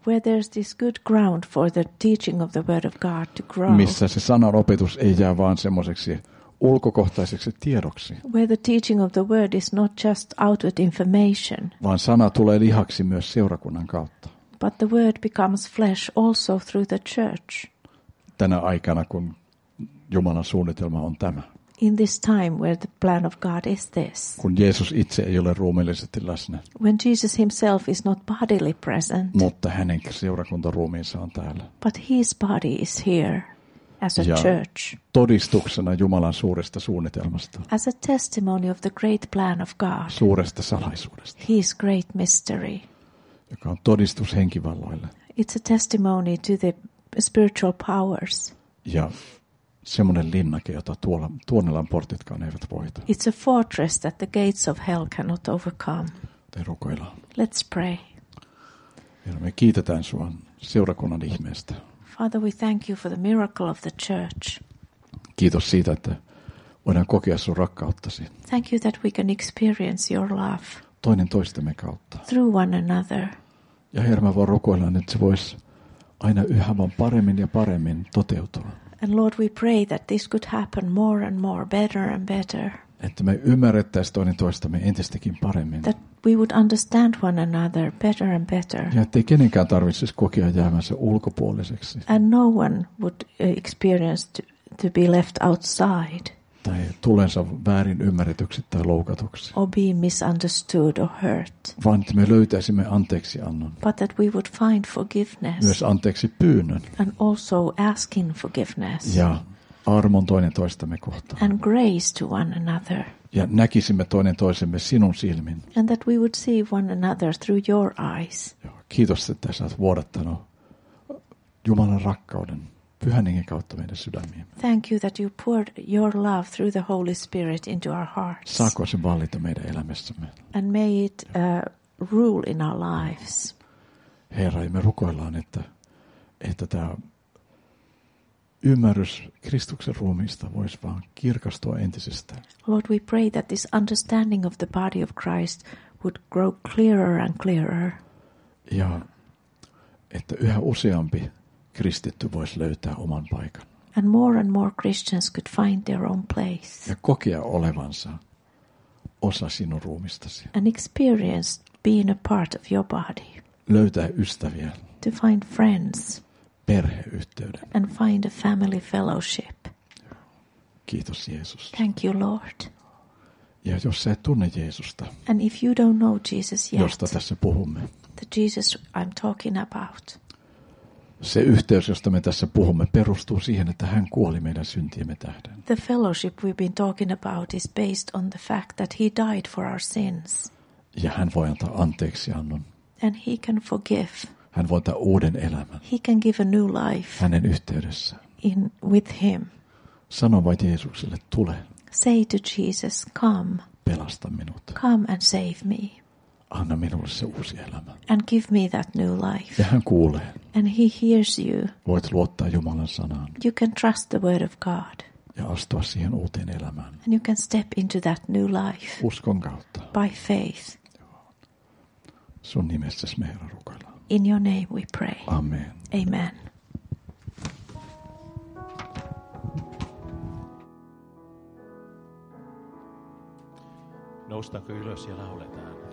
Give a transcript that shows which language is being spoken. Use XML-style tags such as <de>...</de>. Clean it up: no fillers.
<en>Where there's this good ground for the teaching of the word of God to grow.</en> <fi>Missä se sanan opetus ei jää vaan semmoiseksi ulkokohtaiseksi tiedoksi.</fi> <en>Where the teaching of the word is not just outward information.</en> <fi>Vaan sana tulee lihaksi myös seurakunnan kautta.</fi> <en>But the word becomes flesh also through the church.</en> <fi>Tänä aikana, kun Jumalan suunnitelma on tämä.</fi> <en>In this time where the plan of God is this.</en> <fi>Kun Jeesus itse ei ole ruumiillisesti läsnä.</fi> <en>When Jesus himself is not bodily present.</en> <fi>Mutta hänen seurakuntaruumiinsa on täällä.</fi> <en>But his body is here as a</en> <fi>ja</fi> <en>church.</en> <fi>Todistuksena Jumalan suuresta suunnitelmasta.</fi> <en>As a testimony of the great plan of God.</en> <fi>Suuresta salaisuudesta.</fi> <en>His great mystery.</en> <fi>Joka on todistus henkivalloille.</fi> <en>It's a testimony to the spiritual powers.</en> <fi>Ja semmoinen linnake, jota tuonelan portitkaan eivät voita.</fi> <en>It's a fortress that the gates of hell cannot overcome.</en> <fi>Joten rukoillaan.</fi> <en>Let's pray.</en> <fi>Herra, me kiitetään sua seurakunnan ihmeestä.</fi> <en>Father, we thank you for the miracle of the church.</en> <fi>Kiitos siitä, että voidaan kokea sun rakkauttasi.</fi> <en>Thank you that we can experience your love.</en> <fi>Toinen toistemme kautta.</fi> <en>Through one another.</en> <fi>Ja Herra, me voin rukoilla, että se voisi aina yhä vaan paremmin ja paremmin toteutua.</fi> <en>And Lord, we pray that this could happen more and more, better and better.</en> <fi>Että me ymmärrettäisiin toinen toistamme entistäkin paremmin.</fi> <en>That we would understand one another better and better.</en> <fi>Ja ettei kenenkään tarvitsisi kokea jäämänsä ulkopuoliseksi.</fi> <en>And no one would experience to be left outside.</en> <fi>Tai tulensa väärin ymmärretyksi tai loukatuksi.</fi> <en>Or be misunderstood or hurt.</en> <fi>Vaan että me löytäisimme anteeksiannon.</fi> <en>But that we would find forgiveness.</en> <fi>Myös anteeksi pyynnön.</fi> <en>And also asking forgiveness.</en> <fi>Ja armon toinen toistamme kohtaan.</fi> <en>And grace to one another.</en> <fi>Ja näkisimme toinen toisemme sinun silmin.</fi> <en>And that we would see one another through your eyes.</en> <fi>Kiitos, että sä oot vuodattanut Jumalan rakkauden. Pyhän Hengen kautta meidän sydämiin.</fi> <en>Thank you that you poured your love through the Holy Spirit into our hearts.</en> <fi>Saako se vallita meidän elämässämme?</fi> <en>And may it rule in our lives.</en> <fi>Herra, me rukoillaan, että tämä ymmärrys Kristuksen ruumiista voisi vaan kirkastua entisestään.</fi> <en>Lord, we pray that this understanding of the body of Christ would grow clearer and clearer.</en> <fi>Ja että yhä useampi kristitty voisi löytää oman paikan.</fi> <en>And more Christians could find their own place.</en> <fi>Ja kokea olevansa osa sinun ruumistasi.</fi> <en>And experience being a part of your body.</en> <fi>Löytää ystäviä.</fi> <en>To find friends.</en> <fi>Perheyhteyden.</fi> <en>And find a family fellowship.</en> <fi>Kiitos Jeesus.</fi> <en>Thank you Lord.</en> <fi>Ja jos sä et tunne Jeesusta.</fi> <en>And if you don't know Jesus yet.</en> <fi>Josta tässä puhumme.</fi> <en>The Jesus I'm talking about.</en> <fi>Se yhteys, josta me tässä puhumme, perustuu siihen, että hän kuoli meidän syntiemme tähden.</fi> <en>The fellowship we've been talking about is based on the fact that he died for our sins.</en> <fi>Ja hän voi antaa anteeksiannon.</fi> <en>And he can forgive.</en> <fi>Hän voi antaa uuden elämän.</fi> <en>He can give a new life.</en> <fi>Hänen yhteydessä.</fi> <en>In with him.</en> <fi>Sano vain Jeesukselle, tule.</fi> <en>Say to Jesus, come.</en> <fi>Pelasta minut.</fi> <en>Come and save me.</en> <fi>Anna minulle se uusi elämä.</fi> <en>And give me that new life.</en> <fi>Ja hän kuulee.</fi> <en>And he hears you.</en> <fi>Voit luottaa Jumalan sanaan.</fi> <en>You can trust the word of God.</en> <fi>Ja astua siihen uuteen elämään.</fi> <en>And you can step into that new life.</en> <fi>Uskon kautta.</fi> <en>By faith.</en> <fi>Sun nimessäsi me, Herra, rukoillaan.</fi> <en>In your name we pray.</en> <fi>Amen.</fi> <en>Amen.</en> <fi>Noustaanko ylös ja lauletaan.</fi>